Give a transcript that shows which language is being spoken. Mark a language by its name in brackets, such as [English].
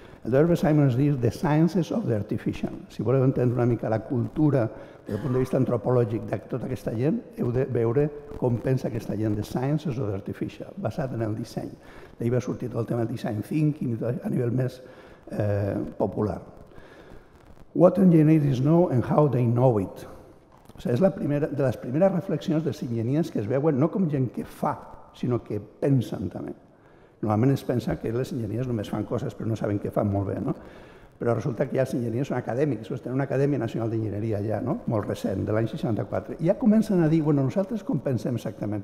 [Catalan] El Herbert Simon es diu The Sciences of the Artificial. Si voleu entendre una mica la cultura del punt de vista antropològic de tota aquesta gent, heu de veure com pensa aquesta gent, The Sciences of the Artificial, basat en el disseny. D'ahí va sortir tot el tema del design thinking a nivell més popular. [English] What engineers know and how they know it. [Catalan] O sigui, és la primera, de les primeres reflexions dels enginyers que es veuen no com gent que fa, sinó que pensen també. Normalment es pensa que les enginyeries només fan coses però no saben què fan molt bé, no? Però resulta que ja els enginyeries són acadèmics, tenen una Acadèmia Nacional d'Enginyeria ja, no? Molt recent, de l'any 64. I ja comencen a dir, bueno, nosaltres com pensem exactament?